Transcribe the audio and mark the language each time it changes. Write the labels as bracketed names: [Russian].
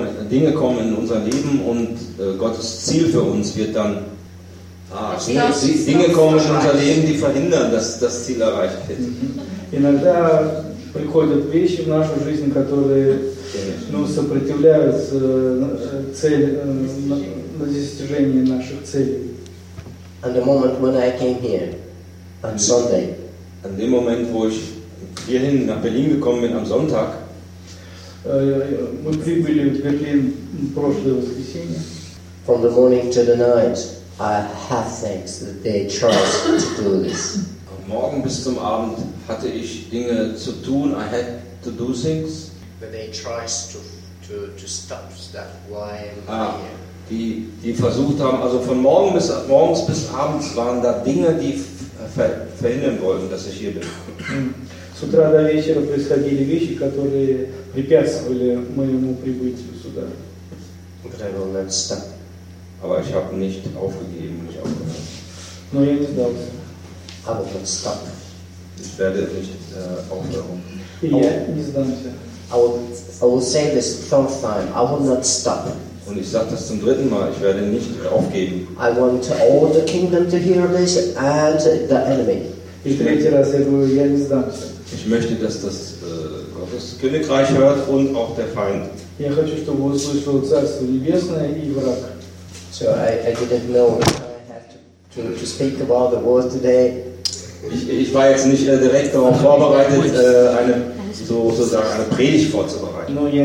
[German] Dinge kommen in unser Leben und Gottes Ziel für uns wird dann. Dinge kommen in unser Leben, die verhindern, dass das Ziel erreicht wird. [Russian] Иногда приходят вещи в нашу жизнь, которые, ну, сопротивляются цели, достижение наших целей. [English] And the moment when I came here on Sunday. [German] An dem Moment, wo ich hierhin nach Berlin gekommen bin am Sonntag. [Russian] Мы прибыли в Берлин прошлое воскресенье. [English] From the morning to the night, I have thanks that they chose to do this. [German] Von morgen bis zum Abend hatte ich Dinge zu tun. [English] I had to do things. But they chose to stop that while here. [German] Die versucht haben, also von morgens bis abends waren da Dinge, die verhindern wollten, dass ich hier bin. [Russian] С утра до вечера происходили вещи, которые препятствовали моему прибытию сюда. [English] But I will not stop. [German] Aber ich habe nicht aufgegeben, nicht aufgehört. [Russian] Но я не сдался. [English] I will not stop. [German] Ich werde nicht aufhören. [Russian] Я не сдамся. [English] I will say this third time. I will not stop. [German] Und ich sage das zum dritten Mal, ich werde nicht aufgeben. [English] I want all the kingdom to hear this and the enemy. [German] Ich möchte, dass das Gottes Königreich hört und auch der Feind. [English] So I didn't know I had to speak about the word today. [German] Ich war jetzt nicht direkt darauf vorbereitet, eine Predigt vorzubereiten.